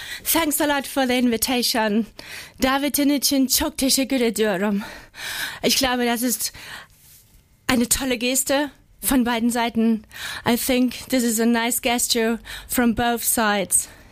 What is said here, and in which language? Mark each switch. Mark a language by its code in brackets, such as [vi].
[en] Thanks a lot for the invitation. [tr] Davidin için çok teşekkür ediyorum. [de] Ich glaube, das ist eine tolle Geste von beiden Seiten. [en] I think this is a nice gesture from both sides.